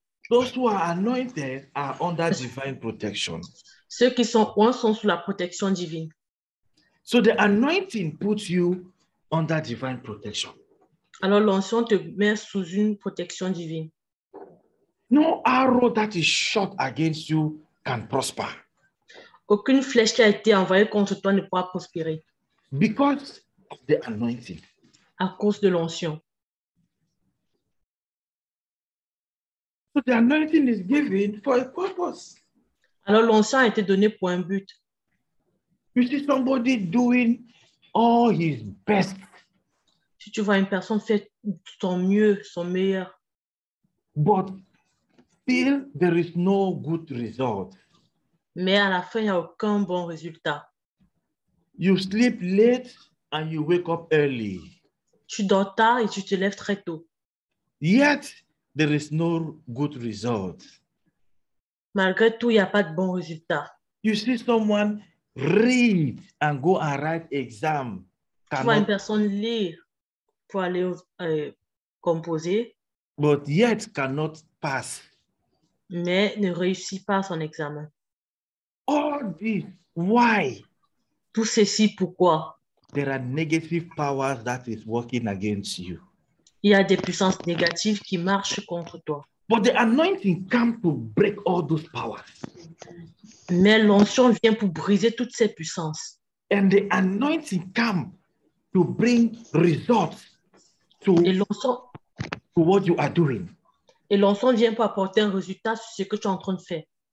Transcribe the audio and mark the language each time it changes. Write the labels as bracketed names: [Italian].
[English] Those who are anointed are under divine protection. [French] Ceux qui sont oints sont sous la protection divine. [English] So the anointing puts you under divine protection. [French] Alors l'onction te met sous une protection divine. [English] No arrow that is shot against you can prosper. [French] Aucune flèche qui a été envoyée contre toi ne pourra prospérer. [English] Because of the anointing. [French] À cause de l'onction. [English] So the anointing is given for a purpose. [French] Alors l'onction a été donnée pour un but. [English] You see somebody doing all his best. [French] Si tu vois une personne faire son mieux, son meilleur. [English] But still there is no good result. [French] Mais à la fin, il n'y a aucun bon résultat. [English] You sleep late and you wake up early. [French] Tu dors tard et tu te lèves très tôt. [English] Yet there is no good result. [French] Malgré tout, il n'y a pas de bon résultat. [English] You see someone read and go and write exam. [French] Tu vois une personne lire pour aller composer. [English] But yet cannot pass. [French] Mais ne réussit pas son examen. [English] All this, why? [French] Tout ceci, pourquoi? [English] There are negative powers that is working against you. [French] Il y a des puissances négatives qui marchent contre toi. [English] But the anointing comes to break all those powers. [French] Mais l'onction vient pour briser toutes ces puissances. [English] And the anointing comes to bring results to, [French] et l'onction, [English] to what you are doing. [French] Et l'onction vient pour apporter un résultat sur ce que tu es en train de faire.